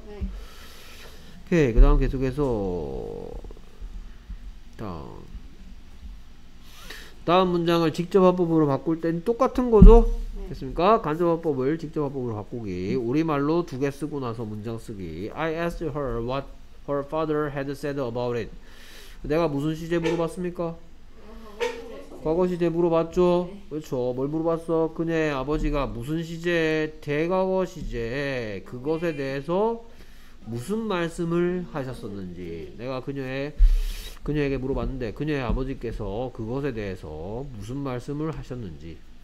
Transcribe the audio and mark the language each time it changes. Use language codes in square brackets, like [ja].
[ko] 네. 오케이. 그 다음 계속해서 다음 문장을 직접 화법으로 바꿀 땐 똑같은 거죠? 네. 됐습니까? 간접 화법을 직접 화법으로 바꾸기. 우리말로 두 개 쓰고 나서 문장 쓰기. [en] I asked her what her father had said about it. [ko] 내가 무슨 시제 물어봤습니까? 과거 시제 물어봤죠? 네. 그렇죠. 뭘 물어봤어? 그녀의 아버지가 무슨 시제, 대과거 시제, 그것에 대해서 무슨 말씀을 하셨었는지. 내가 그녀에게 물어봤는데, 그녀의 아버지께서 그것에 대해서 무슨 말씀을 하셨는지.